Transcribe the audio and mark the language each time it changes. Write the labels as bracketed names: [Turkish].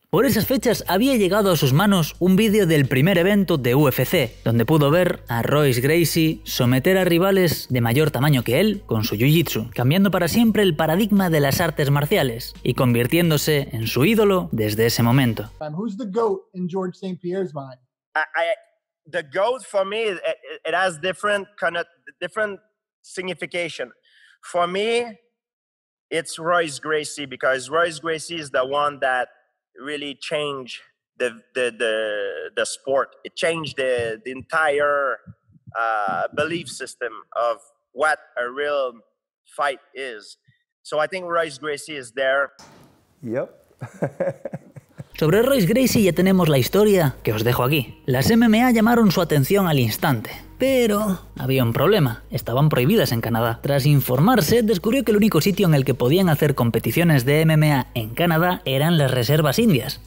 [Spanish] Por esas fechas había llegado a sus manos un vídeo del primer evento de UFC, donde pudo ver a Royce Gracie someter a rivales de mayor tamaño que él con su jiu-jitsu, cambiando para siempre el paradigma de las artes marciales y convirtiéndose en su ídolo desde ese momento. [English] Who's the goat in George St. Pierre's mind? The goat for me, it has different kind of different signification. For me, it's Royce Gracie, because Royce Gracie is the one that really change the sport. It changed the entire belief system of what a real fight is. So I think Royce Gracie is there. Yep. [Spanish] Sobre Royce Gracie ya tenemos la historia que os dejo aquí. Las MMA llamaron su atención al instante. Pero había un problema, estaban prohibidas en Canadá. Tras informarse, descubrió que el único sitio en el que podían hacer competiciones de MMA en Canadá eran las reservas indias.